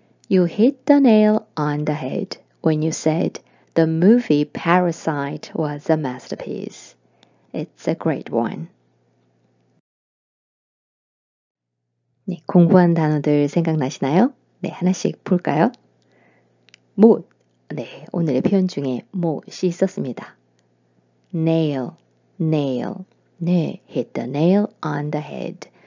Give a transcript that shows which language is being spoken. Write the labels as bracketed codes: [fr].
[en] You hit the nail on the head when you said the movie Parasite was a masterpiece. It's a great one. [ko] 네, 공부한 단어들 생각나시나요? 네, 하나씩 볼까요? 못, 네, 오늘의 표현 중에 못이 있었습니다. [en] Nail, nail, 네, hit the nail on the head.